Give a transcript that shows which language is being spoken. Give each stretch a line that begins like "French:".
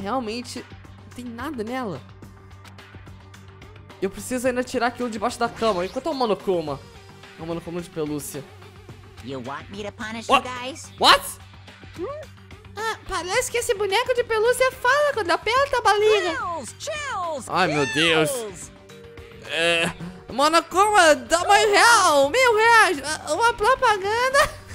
Portuguese: Realmente não tem nada nela. Eu preciso ainda tirar aquilo debaixo da cama. Enquanto é o Monokuma. É o Monokuma de pelúcia.
English: You want me to punish you guys? What?
Portuguese: Parece que esse boneco de pelúcia fala quando aperta a balinha.
English: Chills, chills,
Portuguese: ai, meu Deus. Monokuma, dá uma real. Mil reais. Uma propaganda.